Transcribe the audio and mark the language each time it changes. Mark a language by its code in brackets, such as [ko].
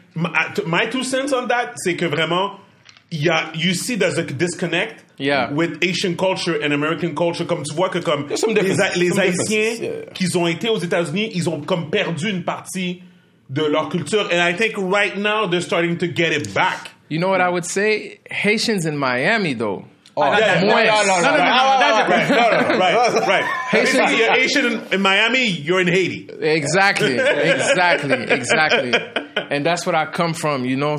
[en] My two cents on that, [fr] c'est que vraiment, [en] you see there's a disconnect with Asian culture and American culture. [fr] Comme tu vois que comme les Haïtiens qu'ils ont été aux États-Unis, ils ont comme perdu une partie de leur culture. [en] And I think right now, they're starting to get it back. You know what I would say? Haitians in Miami, though. No. Haitian in Miami, you're in Haiti. Exactly, exactly. And that's what I come from, you know.